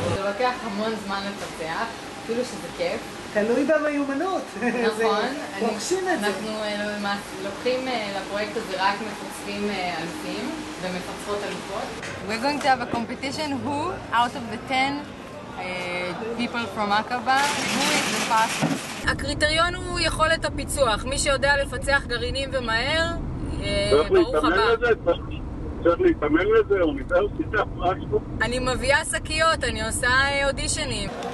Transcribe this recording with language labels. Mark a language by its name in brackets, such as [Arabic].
[Hebrew] לוקח המון זמן לפתח, אפילו שזה כיף. תלוי במיומנות. נכון. פוגשים את זה. אנחנו לוקחים לפרויקט הזה רק מפוצפים אלפים ומפוצפות אלפות. [English] We're going to have a competition who, out of the 10 people from Aqaba, who is the fastest. [Hebrew] הקריטריון הוא יכולת הפיצוח. מי שיודע לפצח גרעינים ומהר, ברוך הבא. צריך להתאמן לזה. צריך להתאמן לזה, אני מביאה שקיות, אני עושה אודישנים.